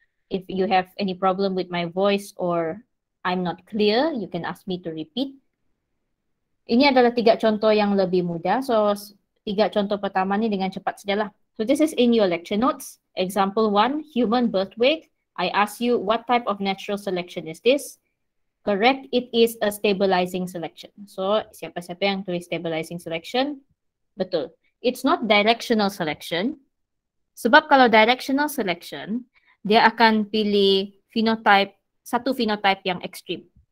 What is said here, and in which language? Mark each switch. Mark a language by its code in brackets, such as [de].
[en] If you have any problem with my voice or I'm not clear, you can ask me to repeat. [ms] Ini adalah tiga contoh yang lebih mudah. So tiga contoh pertama ni dengan cepat sajalah. [en] So this is in your lecture notes. Example one, human birth weight. I ask you what type of natural selection is this? Correct, it is a stabilizing selection. So, [ms] siapa-siapa yang tulis stabilizing selection? Betul. [en] It's not directional selection. [ms] Sebab kalau directional selection, dia akan pilih phenotype, satu phenotype yang extreme.